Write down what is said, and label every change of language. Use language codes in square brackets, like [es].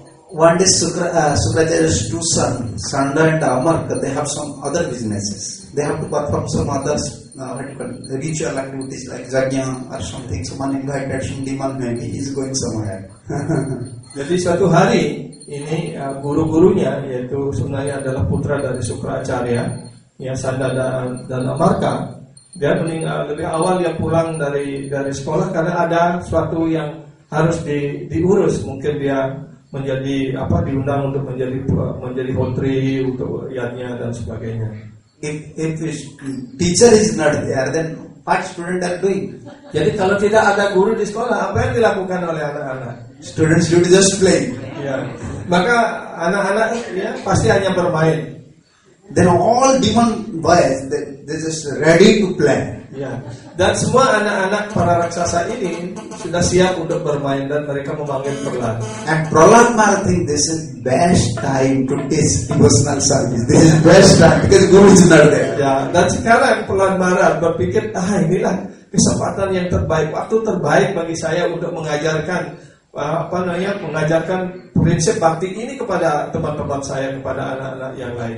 [en] One day Sukracharya's two sons, Sandra and Amarka, they have some other businesses. They have to perform some other ritual activities like jagya or something. Someone invited Shundiman, maybe he's going somewhere. [id] Jadi suatu hari ini guru-gurunya, yaitu sebenarnya adalah putra dari Sukracharya, yang Sanda dan Amarka, dia meninggal lebih awal, dia pulang dari sekolah karena ada suatu yang harus diurus. Mungkin dia menjadi apa, diundang untuk menjadi putri untuk yatnya dan sebagainya. [en] If teacher is not there, then what student are doing? [id] Jadi kalau tidak ada guru di sekolah, apa yang dilakukan oleh anak-anak? [en] Students do just play. [id] Ya, maka anak-anak ya pasti hanya bermain. [en] Then all demon boys, they just ready to play. [id] Ya, dan semua anak-anak para raksasa ini sudah siap untuk bermain dan mereka memanggil Prahlad. [en] And Prahlad Maharaj think this is best time to teach devotional service. This is best time because guru is not there. [id] Ya, dan sekarang Prahlad Maharaj berpikir, ah inilah kesempatan yang terbaik, waktu terbaik bagi saya untuk mengajarkan. Apa namanya, mengajarkan prinsip bhakti ini kepada teman-teman saya, kepada anak-anak yang lain.